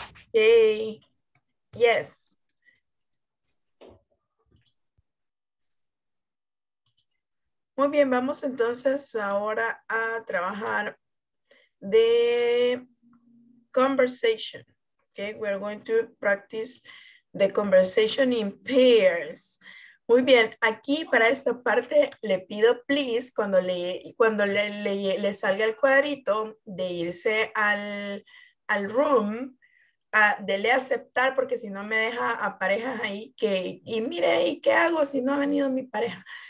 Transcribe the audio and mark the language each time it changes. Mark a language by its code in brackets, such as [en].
[en] Okay. Yes. [es] Muy bien, vamos entonces ahora a trabajar de conversation. [en] Okay, we're going to practice the conversation in pairs. [es] Muy bien, aquí para esta parte le pido, please, cuando le salga el cuadrito de irse al room, dele aceptar, porque si no me deja a parejas ahí que, y mire, ¿y qué hago si no ha venido mi pareja?